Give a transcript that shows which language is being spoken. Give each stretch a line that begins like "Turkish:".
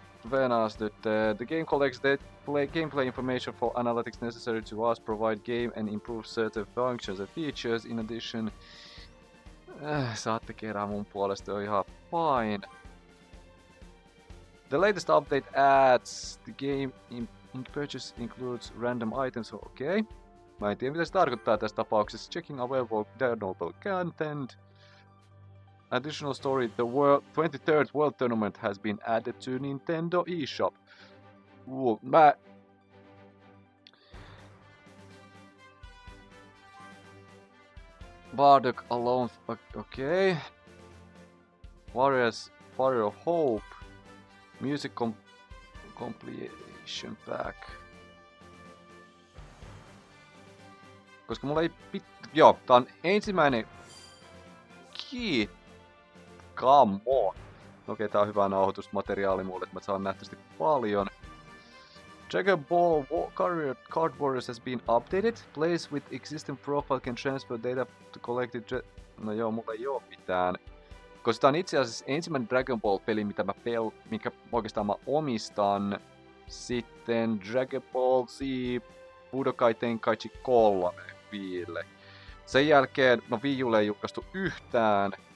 English: When asked that the game collects gameplay information for analytics necessary to us provide game and improve certain functions and features in addition.
Finnish: Saatte kerää mun puolesta, on ihan fine.
English: The latest update adds the game in purchase includes random items. Okay.
Finnish: Mä en tiedä mitä se tarkoittaa tässä tapauksessa.
English: Checking available downloadable content. Additional story, the world 23rd World Tournament has been added to Nintendo eShop.
Finnish: Mä...
English: Bardock alone. Okay. Warrior of Hope. Music completion pack.
Finnish: Koska mulla ei joo, tää on ensimmäinen...
English: Come on!
Finnish: Okei, tää on hyvä nauhoitusmateriaali mulle, että mä saan nähtävästi paljon.
English: Dragon Ball Card Warriors has been updated. Place with existing profile can transfer data to collected...
Finnish: No joo, mulla ei oo mitään. Koska tää on itse asiassa ensimmäinen Dragon Ball-peli, mitä mä minkä oikeastaan mä omistan. Sitten Dragon Ball Z Budokai Tenkaichi 3 Wiille. Sen jälkeen, no Wii Ulle ei julkaistu yhtään.